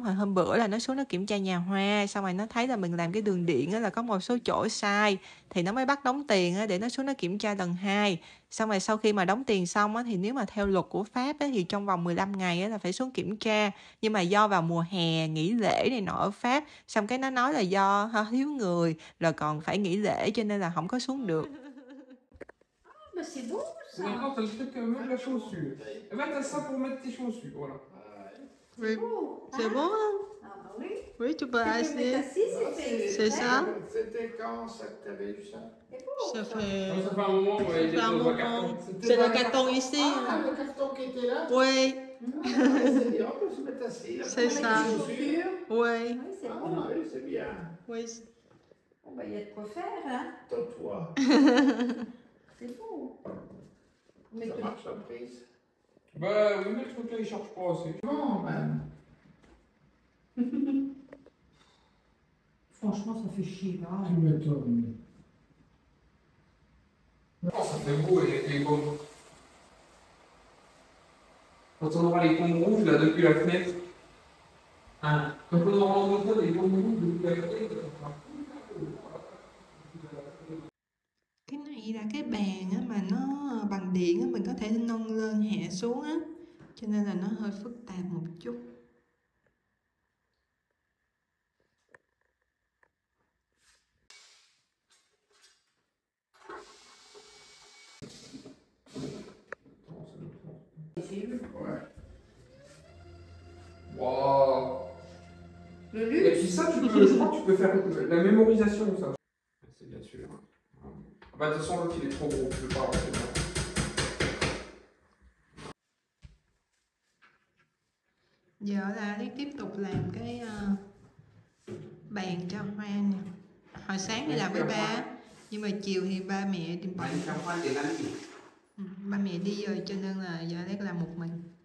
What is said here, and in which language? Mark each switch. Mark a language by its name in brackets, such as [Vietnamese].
[Vietnamese] Hồi hôm bữa là nó xuống nó kiểm tra nhà hoa, xong rồi nó thấy là mình làm cái đường điện á là có một số chỗ sai, thì nó mới bắt đóng tiền á để nó xuống nó kiểm tra lần hai. Xong rồi sau khi mà đóng tiền xong á thì nếu mà theo luật của Pháp á thì trong vòng 15 ngày á là phải xuống kiểm tra, nhưng mà do vào mùa hè nghỉ lễ này nọ ở Pháp, xong cái nó nói là do thiếu người rồi còn phải nghỉ lễ cho nên là không có xuống được. [French] C'est beau ça. Non, t'as le truc, même la chaussure. Eh ben t'as ça pour mettre tes chaussures, voilà. C'est oui. Beau. C'est ah. Bon. Ah bah oui. Oui, tu peux acheter. C'est ça. C'était quand ça que t'avais eu ça? Ça fait... Non, ça fait un moment. Ouais, c'est un moment. C'est le carton ici. Ah, le carton qui était là. Oui. C'est bien, on peut se mettre assis. C'est ça. Oui. C'est bien. Oui. Bon bah il y a de quoi faire, hein. Tends-toi. C'est bon. Mais ça marche, surprise. Ben, oui, mais le truc là, il charge pas assez. Non, même. Franchement, ça fait chier, là. Tu m'étonnes. Oh, ça fait beau, les bombes. Quand on aura les bombes rouges, là, depuis la fenêtre. Hein. Quand on aura les bombes rouges, depuis la fenêtre. [Vietnamese] Là cái bàn á mà nó bằng điện á, mình có thể nâng lên hạ xuống á, cho nên là nó hơi phức tạp một chút. Wow. [French] Et puis ça, tu peux faire la mémorisation ça. C'est bien sûr. Bah de toute façon l'autre il est trop gros, je peux pas rentrer dedans. [Vietnamese] Giờ là đi tiếp tục làm cái bàn cho hoa nè. Hồi sáng đi làm với ba, nhưng mà chiều thì ba mẹ đi bận. Bàn cho hoa để làm gì? Ba mẹ đi rồi cho nên là giờ Alex làm một mình.